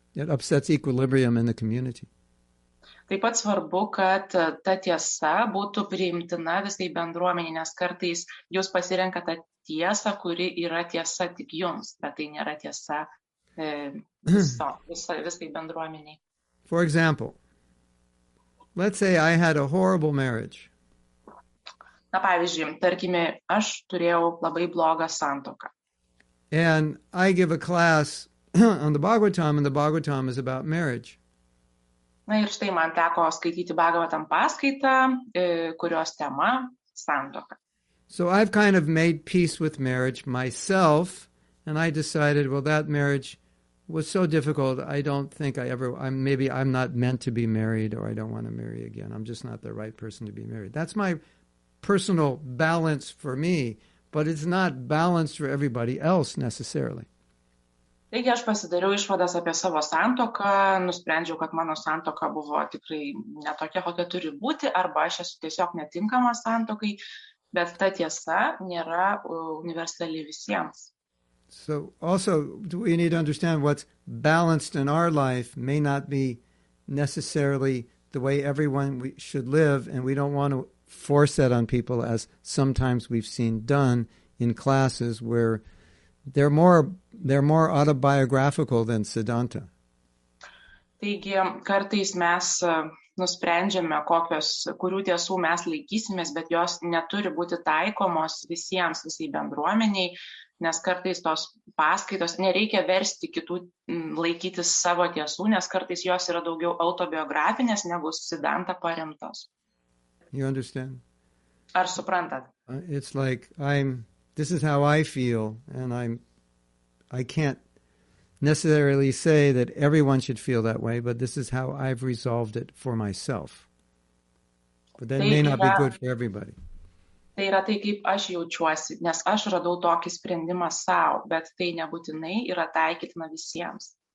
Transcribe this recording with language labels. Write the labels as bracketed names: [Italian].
[English] It upsets equilibrium in the community. [Lithuanian] Taip pat svarbu, kad ta tiesa būtų priimtina visai bendruomeniai, nes kartais jūs pasirenkate tiesą, kuri yra tiesa tik jums, bet tai nėra tiesa visai bendruomeniai. [English] For example, let's say I had a horrible marriage. [Lithuanian] Na, pavyzdžiui, tarkime, aš turėjau labai blogą santoką. [English] And I give a class on the Bhagavatam, and the Bhagavatam is about marriage. [Lithuanian] Na ir štai man teko skaityti Bhagavatam paskaitą, kurios tema santoka. [English] So I've kind of made peace with marriage myself, and I decided, well, that marriage was so difficult. I don't think I ever, I'm not meant to be married, or I don't want to marry again. I'm just not the right person to be married. That's my personal balance for me, but it's not balanced for everybody else necessarily. [Lithuanian] Taigi aš pasidariau išvadas apie savo santoką, nusprendžiau, kad mano santoka buvo tikrai netokia, kokia turi būti, arba aš esu tiesiog netinkamas santokai, bet ta tiesa nėra universali visiems. [English] So also we need to understand what's balanced in our life may not be necessarily the way everyone should live, and we don't want to force that on people as sometimes we've seen done in classes where they're more autobiographical than Siddhanta. [Lithuanian] Taigi, kartais mes nusprendžiame, kurių tiesų mes laikysimės, bet jos neturi būti taikomos visiems, visai bendruomeniai, nes kartais tos paskaitos nereikia versti kitų laikytis savo tiesų, nes kartais jos yra daugiau autobiografinės negu Siddhanta paremtos. [English] You understand? [Lithuanian] Ar suprantat? [English] It's like this is how I feel, and I can't necessarily say that everyone should feel that way, but this is how I've resolved it for myself. But that may not be good for everybody. [Lithuanian] Tai yra tai, kaip aš jaučiuosi, nes aš radau tokį sprendimą sau, bet tai nebūtinai yra taikytina visiems.